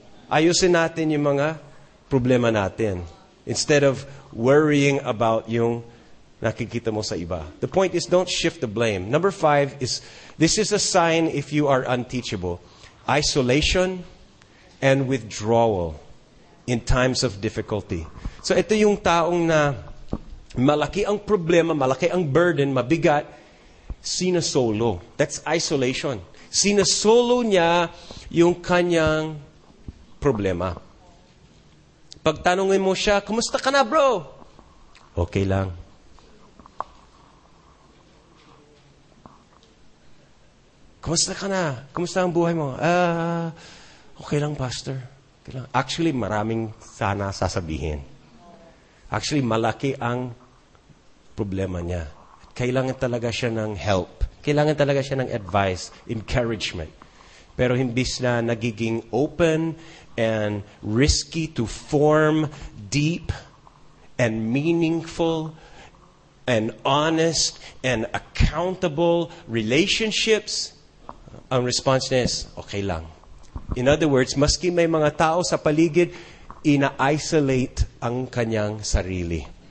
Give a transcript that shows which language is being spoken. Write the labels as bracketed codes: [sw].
[tl] Ayusin natin yung mga problema natin. [en] Instead of worrying about [tl] yung nakikita mo sa iba. [en] The point is, don't shift the blame. Number five is, this is a sign if you are unteachable. Isolation and withdrawal in times of difficulty. [tl] So ito yung taong na malaki ang problema, malaki ang burden, mabigat, sinasolo. [en] That's isolation. [tl] Sinasolo niya yung kanyang problema. Pagtanongin mo siya, kumusta ka na bro? Okay lang. Kumusta ka na? Kumusta ang buhay mo? Okay lang, Pastor. Okay lang. Actually, maraming sana sasabihin. Actually, malaki ang problema niya. Kailangan talaga siya ng help. Kailangan talaga siya ng advice, encouragement. Pero imbis na nagiging [en] open and risky to form deep and meaningful and honest and accountable relationships, [tl] ang response niya is, okay lang. [en] In other words, [tl] maski may mga tao sa paligid, ina-isolate ang kanyang sarili.